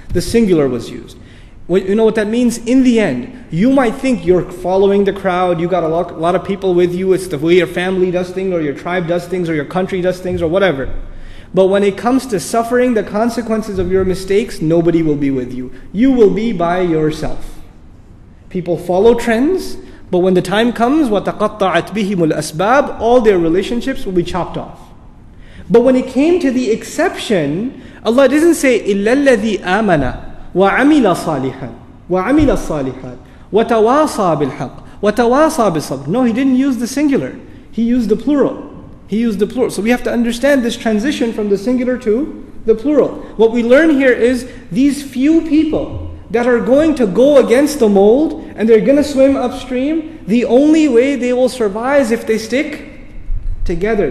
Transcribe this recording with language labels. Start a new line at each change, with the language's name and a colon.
English: The singular was used. Well, you know what that means? In the end, you might think you're following the crowd, you got a lot of people with you, it's the way your family does things, or your tribe does things, or your country does things, or whatever. But when it comes to suffering the consequences of your mistakes, nobody will be with you. You will be by yourself. People follow trends, but when the time comes,
Arabic: وَتَقَطَّعَتْ بِهِمُ الْأَسْبَابِ,
English: all their relationships will be chopped off. But when it came to the exception, Allah doesn't say,
Arabic: إِلَّا الَّذِي آمَنَ وَعَمِلَ صَالِحًا وَعَمِلَ الصَّالِحَاتِ وَتَوَاصَى بِالْحَقِّ وَتَوَاصَى بِالصَّبْرِ.
English: No, He didn't use the singular. He used the plural. He used the plural. So we have to understand this transition from the singular to the plural. What we learn here is these few people that are going to go against the mold and they're going to swim upstream, the only way they will survive is if they stick together.